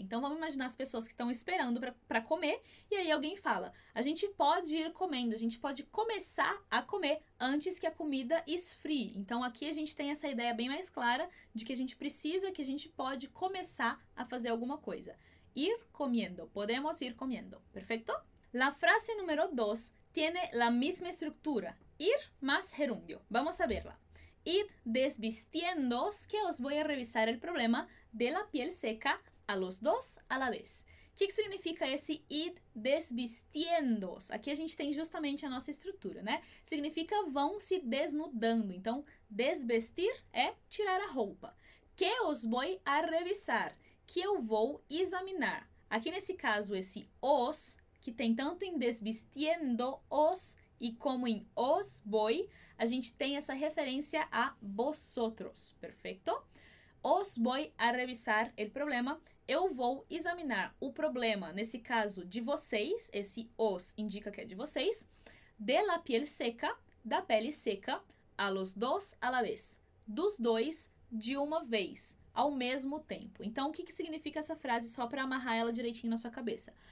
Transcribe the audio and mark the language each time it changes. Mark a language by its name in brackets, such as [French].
[Portuguese] Então, vamos imaginar as pessoas que estão esperando para comer. E aí, alguém fala, a gente pode ir comendo, a gente pode começar a comer antes que a comida esfrie. Então, aqui a gente tem essa ideia bem mais clara de que a gente precisa, que a gente pode começar a fazer alguma coisa. Ir comendo, podemos ir comendo, perfeito? [Spanish] La frase número 2 tiene la misma estructura. Ir más gerundio. Vamos a verla. Id desvistiendo, que os voy a revisar el problema de la piel seca a los dos a la vez. ¿Qué significa ese id desvistiendo? [Portuguese] Aquí a gente tem justamente a nossa estrutura, né? Significa vão se desnudando. Então, desvestir é tirar a roupa. [Spanish] Que os voy a revisar? [Portuguese] Que eu vou examinar. Aqui nesse caso, esse os, que tem tanto em desvistiendo os, e como em os voy, a gente tem essa referência a vosotros, perfeito? [Spanish] Os voy a revisar el problema. [Portuguese] Eu vou examinar o problema, nesse caso, de vocês. Esse os indica que é de vocês. [Spanish] De la piel seca, [Portuguese] da pele seca, [Spanish] a los dos a la vez. [Portuguese] Dos dois, de uma vez, ao mesmo tempo. Então, o que significa essa frase, só para amarrar ela direitinho na sua cabeça?